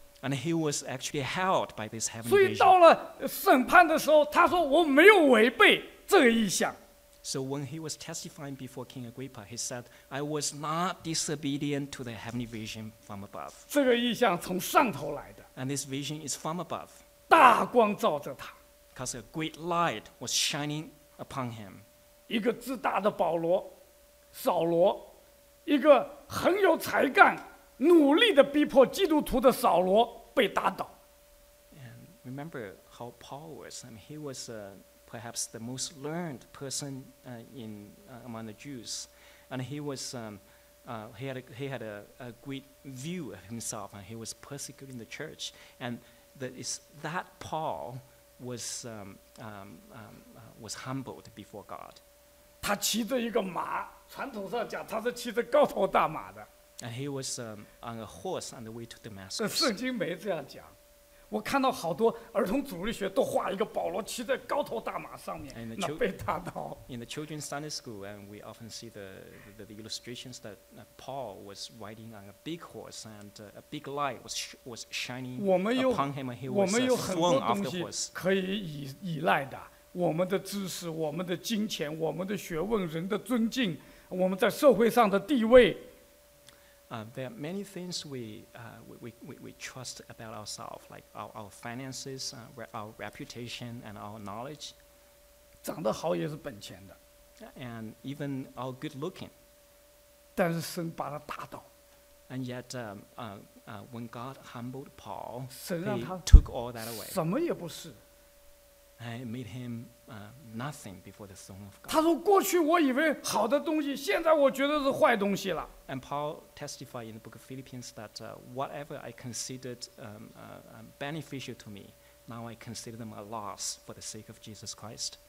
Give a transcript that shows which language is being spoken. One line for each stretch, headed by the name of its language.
English: And he was actually held by this heavenly vision.
Chinese: 所以到了审判的时候，他说我没有违背这个意象。
English: So when he was testifying before King Agrippa, he said, I was not disobedient to the heavenly vision from above.
Chinese: 这个意象从上头来的。
English: And this vision is from above.
Chinese: 大光照着他。
English: Because a great light was shining upon him.
Chinese: 一个自大的保罗，扫罗，一个很有才干，努力地逼迫基督徒的扫罗被打倒。
English: And remember called Paul was. I mean, he was perhaps the most learned person among the Jews, and he was he had a great view of himself, and he was persecuting the church. And that is that Paul was humbled before God.
Chinese: 他骑着一个马, 传统上讲, 他是骑着高头大马的。
English: And he was on a horse on the way to Damascus.
Chinese: 圣经没这样讲。我看到好多儿童主义学都画一个保罗骑在高头大马上面,
English: in the
Chinese: 那被打倒。
English: In the children's Sunday school, and we often see the illustrations that Paul was riding on a big horse, and a big light was shining
Chinese: 我们有,
English: upon him, and he was thrown off the horse.
Chinese: 可以依赖的, 我们的知识, 我们的金钱, 我们的学问, 人的尊敬, 我们在社会上的地位。
English: There are many things we trust about ourselves, like our finances, our reputation, and our knowledge.
Chinese: 长得好也是本钱的。
English: And even our good looking.
Chinese: 但是神把他打倒。
English: And yet, when God humbled Paul,
Chinese: 神让他,
English: he took all that away.
Chinese: 什么也不是。
English: And it made him nothing before the throne of God.
Chinese: 他说过去我以为好的东西，现在我觉得是坏东西了。
English: And Paul testified in the book of Philippians that whatever I considered beneficial to me, now I consider them a loss for the sake of Jesus Christ.